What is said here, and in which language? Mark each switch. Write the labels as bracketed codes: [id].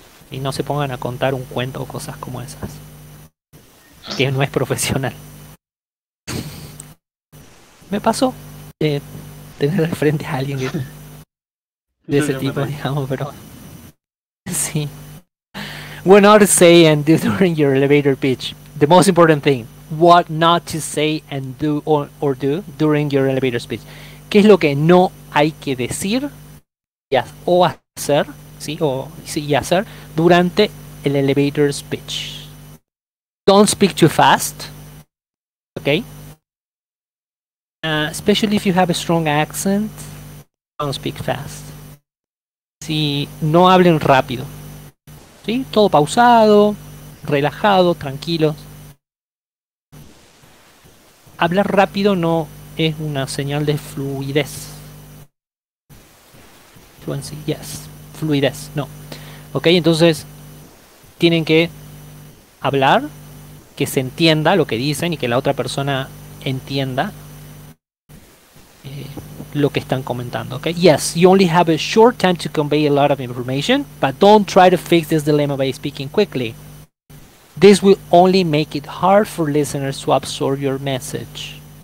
[es] Y no se pongan a contar un cuento o cosas como esas, que no es profesional. Me pasó tener de frente a alguien que, de ese tipo, digamos, pero sí. [en] When not to say and do during your elevator pitch. The most important thing. What not to say and do or do during your elevator speech. [es] ¿Qué es lo que no hay que decir o hacer, sí, o sí, y hacer durante el elevator speech? [en] Don't speak too fast. Okay. Especially if you have a strong accent, don't speak fast. [es] Si no hablen rápido. ¿Sí? Todo pausado, relajado, tranquilo. Hablar rápido no es una señal de fluidez. [en] Fluency, yes. [es] Fluidez, no. Ok, entonces tienen que hablar, que se entienda lo que dicen y que la otra persona entienda lo que están comentando, ¿ok? [en] Yes, you only have a short time to convey a lot of information, but don't try to fix this dilemma by speaking quickly. This will only make it hard for listeners to absorb your message.